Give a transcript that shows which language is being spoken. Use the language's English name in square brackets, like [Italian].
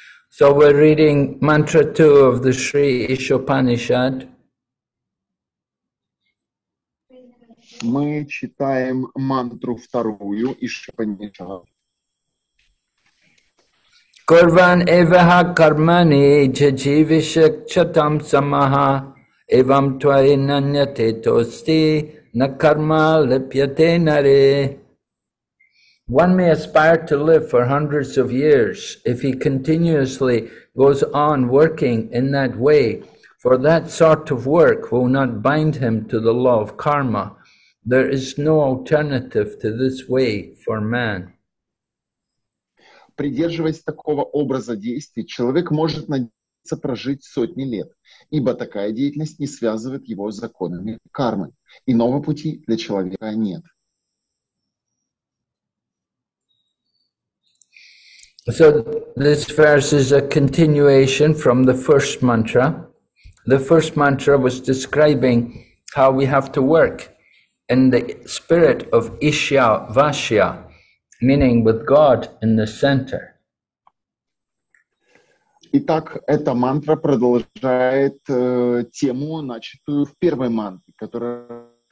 [English] So we're reading Mantra 2 of the Sri Ishopanishad. [Russian] Мы читаем мантру вторую из Шопанишада. [Sanskrit] Курван эваха кармани джживишек чатам самаха эвам твай наняте тости на карма лепьяте наре. [English] One may aspire to live for hundreds of years if he continuously goes on working in that way, for that sort of work will not bind him to the law of karma. There is no alternative to this way for man. [Russian] Придерживаясь такого образа действий, человек может надеяться прожить сотни лет, ибо такая деятельность не связывает его с законами кармы. Иного пути для человека нет. [English] So this verse is a continuation from the first mantra. The first mantra was describing how we have to work in the spirit of Isya Vashya, meaning with God in the center. [Russian] Итак, эта мантра продолжает тему, начатую в первой мантре, которая